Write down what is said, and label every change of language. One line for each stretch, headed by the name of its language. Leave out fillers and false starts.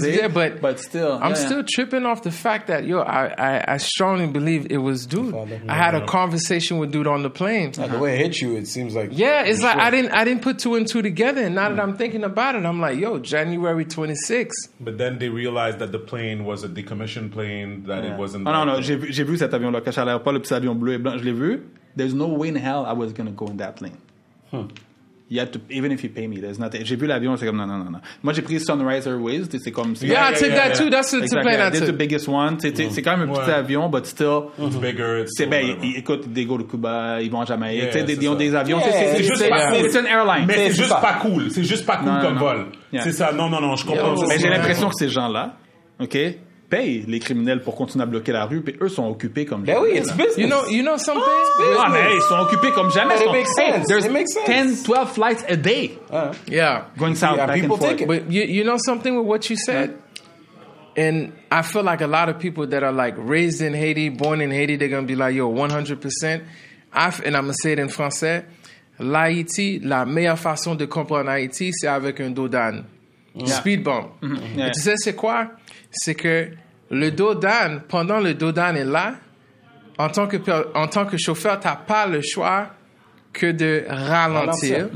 English: Visés, but still. I'm still tripping off the fact that, yo, I strongly believe it was dude. I had a conversation with dude on the plane. The way it hit you, it seems like... Yeah, it's like sure. I didn't put two and two together, and now that I'm thinking about it, I'm like, yo, January 26th. But then they realized that the plane was a decommissioned plane, that it wasn't...
French: No, j'ai vu cet avion-là, caché à l'aéroport, le petit avion bleu et blanc, je l'ai vu.
English: There's no way in hell I was going to go in that plane. You have to, even if you pay me, there's nothing.
French: J'ai vu l'avion, c'est comme non. Moi, j'ai pris Sunrise Airways, c'est comme.
English: Yeah, I took that too. That's the plane I took. That's the biggest one.
French: C'est quand même un petit avion,
English: but still. It's bigger.
French: Écoute,
English: they go to Cuba,
French: ils vont en Jamaïque. Ils ont des avions. C'est
English: an airline.
French: Mais c'est juste pas cool. C'est juste pas cool comme vol. C'est ça. Non, je comprends. Mais j'ai l'impression que ces gens-là, OK, paye les criminels pour continuer à bloquer la rue, puis eux sont occupés comme jamais. Ben oui,
English: it's business. You know something?
French: Oh, business. Non, mais ils sont occupés comme jamais.
English: It makes sense. There's it makes sense. 10, 12 flights a day. Yeah. Going south, yeah, back people and forth. Take it. But you know something with what you said? And I feel like a lot of people that are like raised in Haiti, born in Haiti, they're going to be like, yo, 100%. And I'm going to say it in français.
French: L'Haïti, la meilleure façon de comprendre Haïti, c'est avec un dodan.
English: Yeah. Speed bump. Mm-hmm. Yeah.
French: Tu sais, c'est quoi? C'est que le dodan, pendant le dodan est là, en tant que chauffeur, tu n'as pas le choix que de ralentir.